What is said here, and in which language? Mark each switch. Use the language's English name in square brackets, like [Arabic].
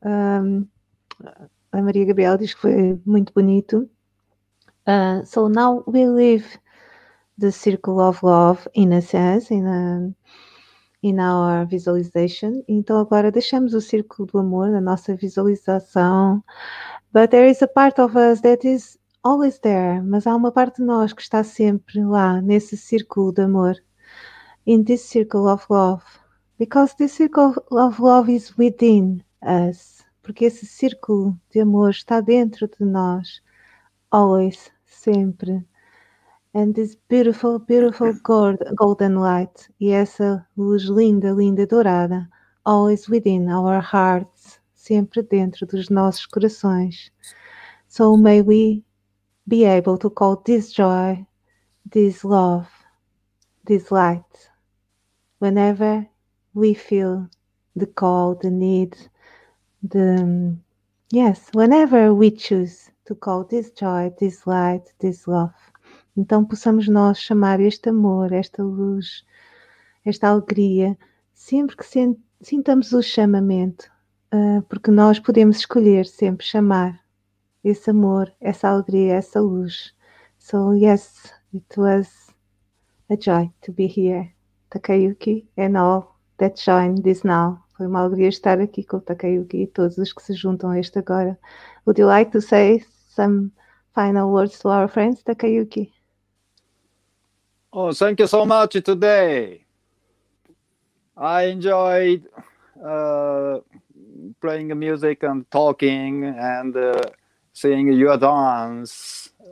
[Portuguese] A Maria Gabriela diz que foi muito bonito. [English] So now we leave the circle of love in a sense, in our visualization. [Portuguese] Então agora deixamos o círculo do amor na nossa visualização. [English] But there is a part of us that is always there. [Portuguese] Mas há uma parte de nós que está sempre lá nesse círculo de amor. [English] In this circle of love. Because this circle of love is within us. [Portuguese] Porque esse círculo de amor está dentro de nós. [English] Always, [Portuguese] sempre. [English] And this beautiful, beautiful golden light. [Portuguese] E essa luz linda, linda, dourada. [English] Always within our hearts. [Portuguese] Sempre dentro dos nossos corações. [English] So may we be able to call this joy, this love, this light. Whenever we feel the call, the need, yes, whenever we choose to call this joy, this light, this love. [Portuguese] Então possamos nós chamar este amor, esta luz, esta alegria, sempre que sintamos o chamamento, porque nós podemos escolher sempre chamar esse amor, essa alegria, essa luz. [English] So, yes, it was a joy to be here, Takayuki, and all that join this now. [Portuguese] Foi uma alegria estar aqui com o Takayuki e todos os que se juntam a este agora. [English] Would you like to say some final words to our friends, Takayuki? Oh, thank you so much today. I enjoyed playing music and talking and seeing your dance.